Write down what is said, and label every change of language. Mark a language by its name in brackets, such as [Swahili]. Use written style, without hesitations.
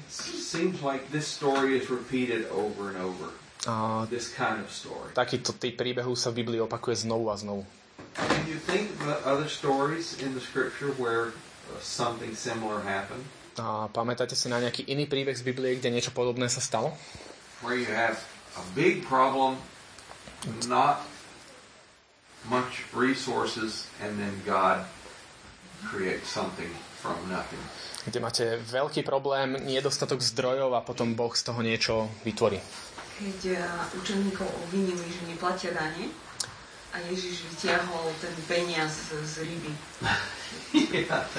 [English] It seems like this story is repeated over and over. This kind of story. [Slovak] Takýto typ príbehu sa v Biblii opakuje znovu a znovu. [English] Can you think of other stories in the scripture where something similar happened? [Slovak] A pamätáte si na nejaký iný príbeh z Biblie, kde niečo podobné sa stalo? [English] Where you have a big problem, not much resources, and then God creates something from nothing. [Slovak] Kde máte veľký problém, nedostatok zdrojov a potom Boh z toho niečo vytvorí. Keď učeníkov obvinili, že neplatia dane, a Ježiš vytiahol ten peniaz z ryby. [English] Yeah,